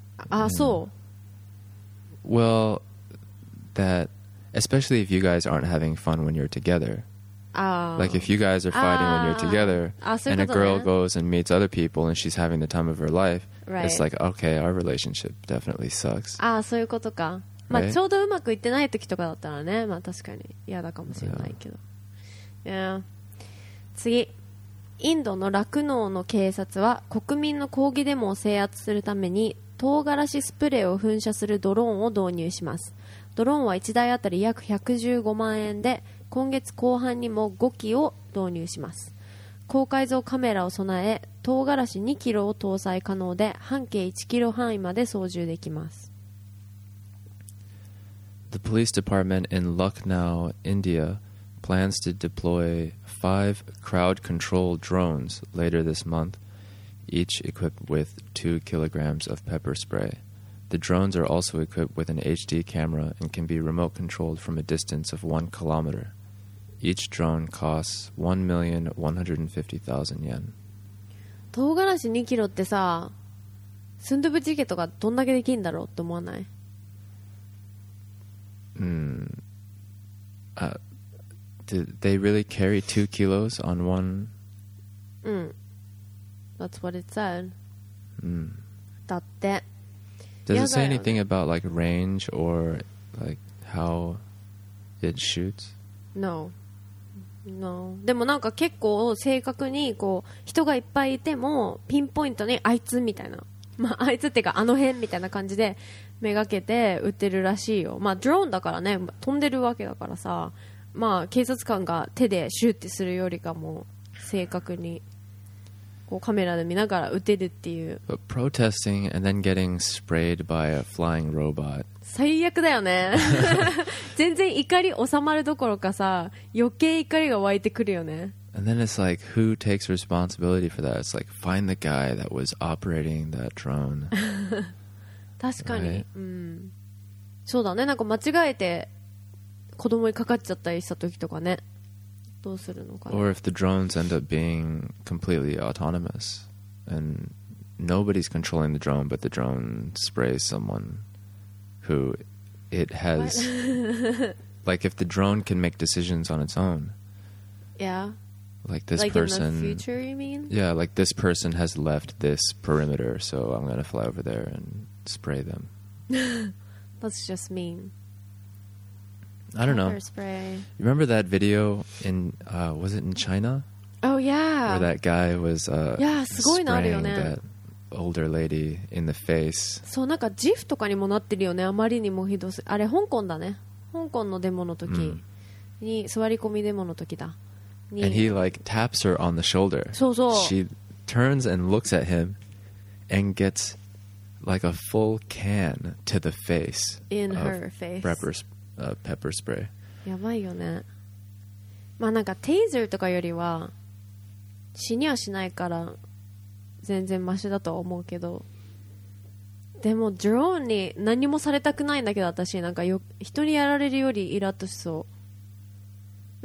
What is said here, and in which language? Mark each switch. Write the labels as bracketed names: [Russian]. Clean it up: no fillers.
[Japanese] あ、そう。 [English] Well, that especially if you guys aren't having fun when you're together. Like if you guys are fighting when you're together and a girl goes and meets other people and she's having the time of her life, Right. It's like, okay, our relationship definitely sucks. [Japanese] Ah, そういうことか。まあ、ちょうどうまくいってない時とかだったらね、まあ、確かに嫌だかもしれないけど。 [English] Yeah. [Japanese] 次。インドの酪農の警察は国民の抗議デモを制圧するために唐辛子スプレーを噴射するドローンを導入します。ドローンは1台あたり約115万円で、今月後半にも5機を導入します。高解像カメラを備え、唐辛子2キロを搭載可能で、半径1キロ範囲まで操縦できます。 [English] The police department in Lucknow, India, plans to deploy 5 crowd control drones later this month, each equipped with 2 kilograms of pepper spray. The drones are also equipped with an HD camera and can be remote controlled from a distance of 1 kilometer. Each drone costs 1,150,000 yen. [Japanese] 唐辛子2キロってさ、スンドゥブチゲとかどんだけできるんだろうって思わない？ [English] Do they really carry 2 kilos on one? That's what it said. [Japanese] だって。 [English] Does it say anything about like range or like how it shoots? No. No. [Japanese] でもなんか結構正確にこう人がいっぱいいてもピンポイントにあいつみたいな、まあ、あいつっていうかあの辺みたいな感じでめがけて撃ってるらしいよ。まあドローンだからね、飛んでるわけだからさ、まあ警察官が手でシューってするよりかも正確にこうカメラで見ながら撃てるっていう。 [English] But protesting and then getting sprayed by a flying robot. [Japanese] 最悪だよね。全然怒り収まるどころかさ、余計怒りが湧いてくるよね。 [English] And then it's like, who takes responsibility for that? It's like, find the guy that was operating that drone. [Japanese] 確かに、 [English] right? [Japanese] うん、そうだね。なんか間違えて子供にかかっちゃったりした時とかね、どうするのかな。 [English] Or if the drones end up being completely autonomous and nobody's controlling the drone, but the drone sprays someoneWho it has like if the drone can make decisions on its own. Yeah. Like this like person. Like in the future, you mean? Yeah, like this person has left this perimeter, so I'm gonna fly over there and spray them. That's just mean. I don't know. Pepper spray. You remember that video in, was it in China? Oh, yeah. Where that guy was yeah, spraying [Japanese] すごいのあるよね。 [English] That. Older lady in the face. [Japanese] そうなんか GIF とかにもなってるよね。あまりにもひどす。あれ香港だね。香港のデモの時に、座り込みデモの時だ。 [English] And he like taps her on the shoulder. [Japanese] そうそう。 [English] She turns and looks at him and gets like a full can to the face. In her face. Pepper spray. [Japanese] やばいよね。まあなんかテイザーとかよりは死にはしないから。全然マシだと思うけど、でもドローンに何もされたくないんだけど、私なんかよ人にやられるよりイラッとしそう。